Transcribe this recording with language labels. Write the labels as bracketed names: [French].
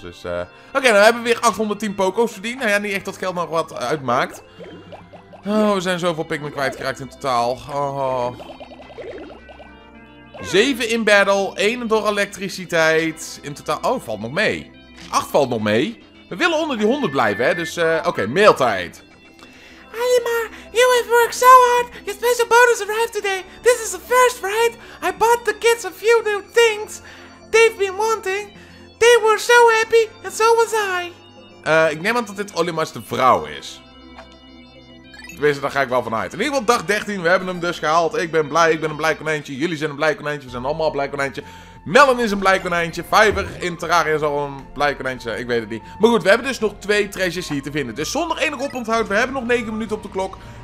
[Dutch] Dus, Oké, nou hebben we weer 810 poko's verdiend. Nou ja, niet echt dat geld nog wat uitmaakt. Oh, we zijn zoveel Pikmin kwijtgeraakt in totaal. Oh. 7 in battle, 1 door elektriciteit. In totaal, oh, valt nog mee. 8 valt nog mee. We willen onder die 100 blijven, hè. Dus, oké, maaltijd. [English] Alima, you have worked so hard. Your special bonus arrived today. This is the first, right? I bought the kids a few new things they've been wanting. They were so happy and so was I. [Dutch] Ik neem aan dat dit Olimars de vrouw is. Tenminste, daar ga ik wel van uit. In ieder geval dag 13, we hebben hem dus gehaald. Ik ben een blij konijntje. Jullie zijn een blij konijntje, we zijn allemaal een blij konijntje. Melon is een blij konijntje. Fiverr in Terraria zal een blij konijntje zijn. Ik weet het niet. Maar goed, we hebben dus nog 2 treasures hier te vinden. Dus zonder enig oponthoud. We hebben nog 9 minuten op de klok.